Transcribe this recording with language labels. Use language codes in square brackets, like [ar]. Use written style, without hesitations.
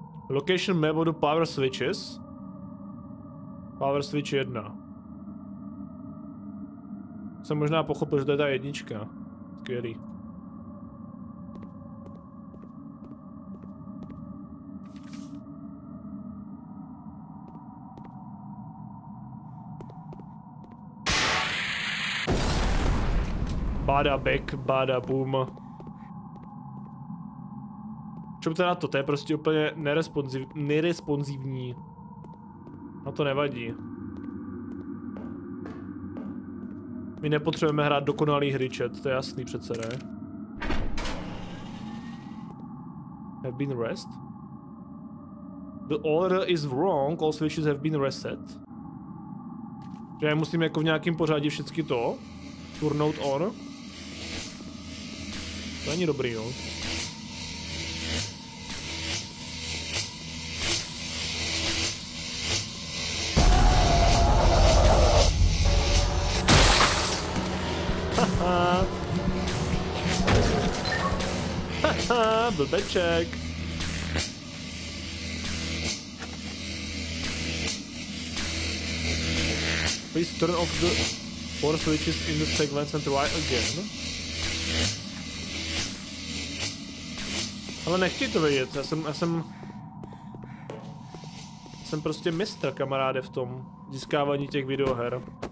[en] Location map of the power switches. Power switch 1. [cs] Jsem možná pochopil, že to je ta jednička. Skvělý. Bada back, bada boom. Čum teda to, je prostě úplně neresponzivní. A to nevadí. My nepotřebujeme hrát dokonalý hry, chat, to je jasný přece, ne? [en] Have been rest? The order is wrong, all switches have been reset. [cs] Že já musím jako v nějakým pořadí všechny to [en] turnout on. [cs] To není dobrý, jo. Blbeček. [en] Please turn off the four switches in the segments and try again. [cs] Ale nechtěj to vědět, já jsem prostě mistr, kamaráde, v tom získávání těch videoher.